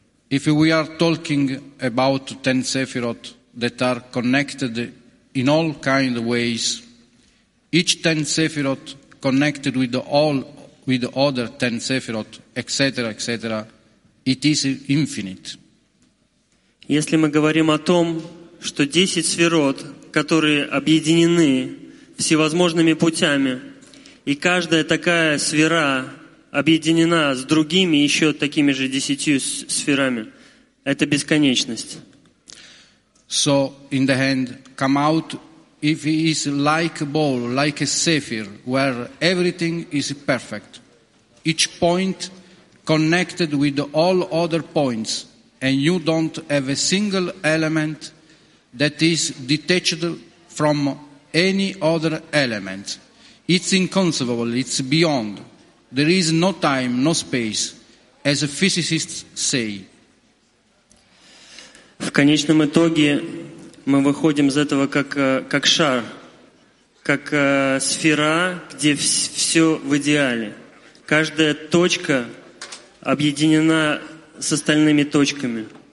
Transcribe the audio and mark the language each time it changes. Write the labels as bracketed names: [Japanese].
[English] If we are talking about ten sefirot that are connected in all kind of ways, each ten sefirot connected with the other ten sefirot, etc., etc., it is infinite. [Russian] Если мы говорим о том, что 10 сефирот, которые объединены всевозможными путями, и каждая такая сфера объединена с другими еще такими же десятью сферами. Это бесконечность. [English] So in the end, come out if it is like a ball, like a sapphire, where everything is perfect. Each point connected with all other points, and you don't have a single element that is detached from any other element. It's inconceivable, it's beyond. There is no time, no space, as physicists say. [Russian] В конечном итоге Мы выходим из этого как шар, как сфера, где все в идеале. Каждая точка объединена с остальными точками.